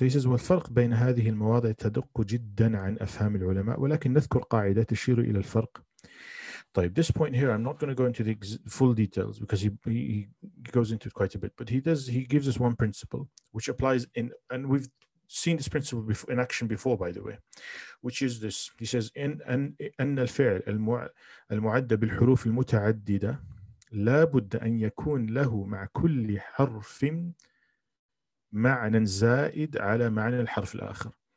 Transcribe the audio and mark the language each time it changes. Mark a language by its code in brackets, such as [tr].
[en] He says, [ar] والفرق بين هذه المواضع تدق جدا عن أفهام العلماء ولكن نذكر قاعدة تشير إلى الفرق. [en] طيب, this point here, I'm not going to go into the full details because he goes into it quite a bit, but he gives us one principle which applies in, and we've seen this principle before, in action before, by the way, which is this. He says, [ar] أن الفعل المعد بالحروف المتعددة لا بد أن يكون له مع كل حرف معنى زائد على معنى الحرف الآخر.